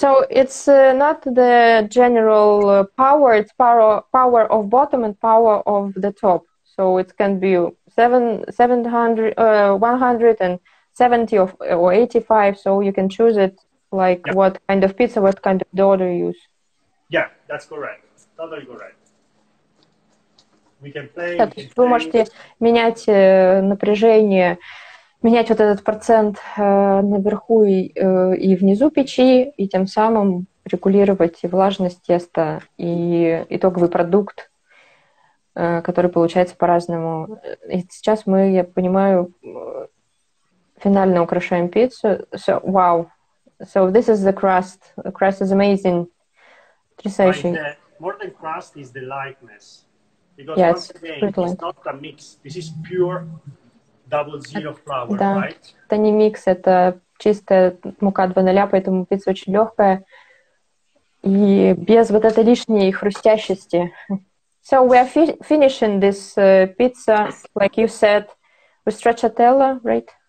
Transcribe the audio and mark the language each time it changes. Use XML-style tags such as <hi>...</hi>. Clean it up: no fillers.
<en>So it's not the general power, it's power of bottom and power of the top. So it can be 100 and 70 or 85. So you can choose it like what kind of pizza, what kind of dough to use. Yeah, that's correct. Totally correct. We can play.</en> <ru>Да, то есть вы можете менять напряжение, менять вот этот процент наверху и внизу печи, и тем самым регулировать влажность теста и итоговый продукт, который получается по-разному. И сейчас мы, я понимаю, финально украшаем пиццу.</ru> <en>So, wow. So, this is the crust. The crust is amazing.</en> <ru>Потрясающий.</ru> <en>More than crust is the lightness. Because yes, once again, it's not a mix. This is pure 00 flour,</en> <ru>да.</ru> <en>Right?</en> <ru>Это не микс, это чистая мука 2.0, поэтому пицца очень легкая. И без вот этой лишней хрустящести.</ru> <en>So we are finishing this pizza, like you said, with stracciatella, right?</en>